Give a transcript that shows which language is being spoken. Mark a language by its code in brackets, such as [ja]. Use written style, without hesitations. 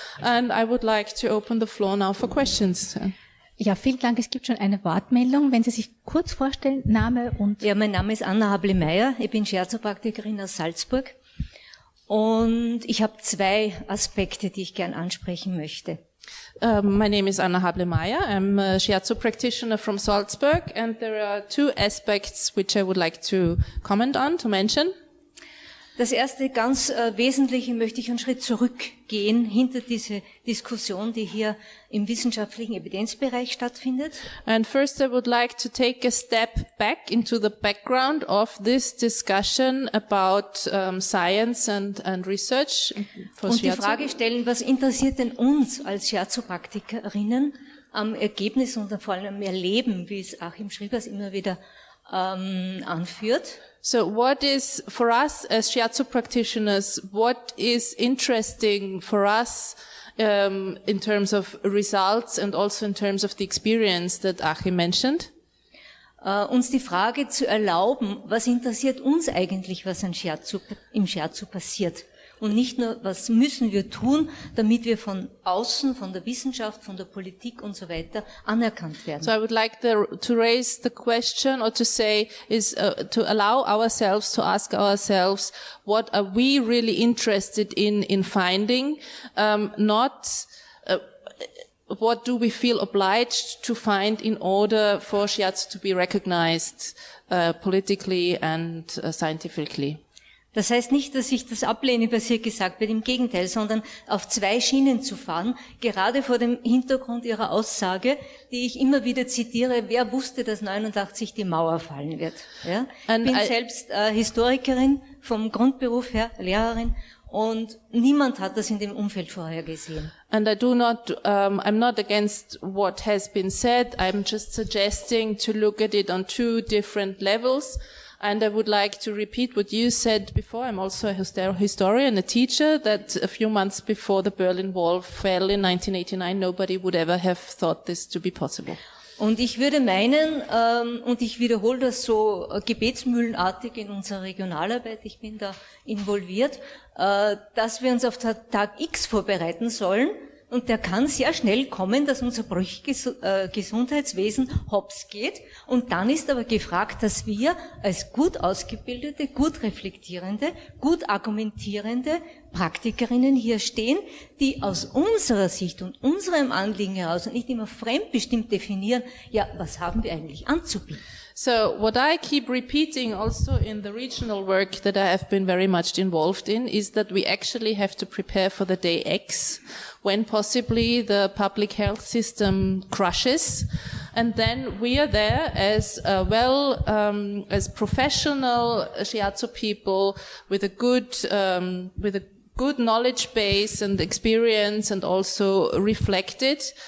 [en] And I would like to open the floor now for questions. [de] Ja, vielen Dank. Es gibt schon eine Wortmeldung. Wenn Sie sich kurz vorstellen, Name und... Ja, mein Name ist Anna Habli-Meyer. Ich bin Shiatsu-Praktikerin aus Salzburg. Und ich habe zwei Aspekte, die ich gern ansprechen möchte. [en] My name is Anna Habli-Meyer. I'm a Shiatsu practitioner from Salzburg. And there are two aspects, which I would like to comment on, to mention. [de] Das erste ganz Wesentliche möchte ich einen Schritt zurückgehen hinter diese Diskussion, die hier im wissenschaftlichen Evidenzbereich stattfindet. [en] And first I would like to take a step back into the background of this discussion about science and research for Shiatsu. [de] Und die Frage stellen, was interessiert denn uns als Shiatsu-Praktikerinnen am Ergebnis und vor allem am Erleben, wie es Achim Schriebers immer wieder anführt. [en] So what is for us as Shiatsu practitioners, what is interesting for us in terms of results and also in terms of the experience that Achim mentioned? [de] Uns die Frage zu erlauben, was interessiert uns eigentlich, was im Shiatsu passiert? Und nicht nur, was müssen wir tun, damit wir von außen, von der Wissenschaft, von der Politik und so weiter anerkannt werden. [en] So I would like to raise the question or to say is to allow ourselves to ask ourselves, what are we really interested in finding, not what do we feel obliged to find in order for Shiatsu to be recognized politically and scientifically. [de] Das heißt nicht, dass ich das ablehne, was hier gesagt wird, im Gegenteil, sondern auf zwei Schienen zu fahren, gerade vor dem Hintergrund Ihrer Aussage, die ich immer wieder zitiere, wer wusste, dass 89 die Mauer fallen wird? Ja? Ich bin selbst Historikerin, vom Grundberuf her Lehrerin, und niemand hat das in dem Umfeld vorhergesehen. [en] And I do not, I'm not against what has been said, I'm just suggesting to look at it on two different levels. And I would like to repeat what you said before. I'm also a historian, a teacher, that a few months before the Berlin Wall fell in 1989, nobody would ever have thought this to be possible. [de] Und ich würde meinen, und ich wiederhole das so gebetsmühlenartig in unserer Regionalarbeit, ich bin da involviert, dass wir uns auf den Tag X vorbereiten sollen. Und der kann sehr schnell kommen, dass unser brüchiges Gesundheitswesen hops geht. Und dann ist aber gefragt, dass wir als gut ausgebildete, gut reflektierende, gut argumentierende Praktikerinnen hier stehen, die aus unserer Sicht und unserem Anliegen heraus und nicht immer fremdbestimmt definieren, ja, was haben wir eigentlich anzubieten? [en] So, what I keep repeating also in the regional work that I have been very much involved in is that we actually have to prepare for the day X, when possibly the public health system crashes, and then we are there as as professional shiatsu people with a good good knowledge base and experience and also reflected.